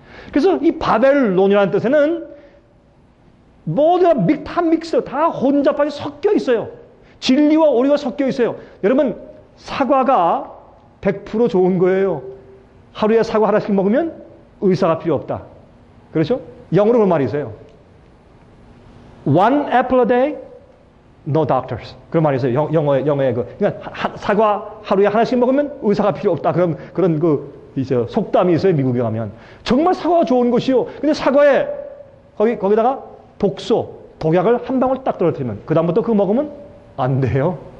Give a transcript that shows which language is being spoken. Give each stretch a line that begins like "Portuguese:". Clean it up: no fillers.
Korean: 그래서 이 바벨론이라는 뜻에는 모두 다 믹스, 다 혼잡하게 섞여 있어요. 진리와 오류가 섞여 있어요. 여러분, 사과가 100% 좋은 거예요. 하루에 사과 하나씩 먹으면 의사가 필요 없다. 그렇죠? 영어로 그런 말이 있어요.
English: One apple a day, no doctors.
Korean: 그런 말이 있어요. 영어의 그. 그러니까, 사과 하루에 하나씩 먹으면 의사가 필요 없다. 그런 그, 이제 속담이 있어요. 미국에 가면. 정말 사과가 좋은 것이요. 근데 사과에, 거기다가 독소, 독약을 한 방울 딱 떨어뜨리면, 그다음부터 그거 먹으면 안 돼요.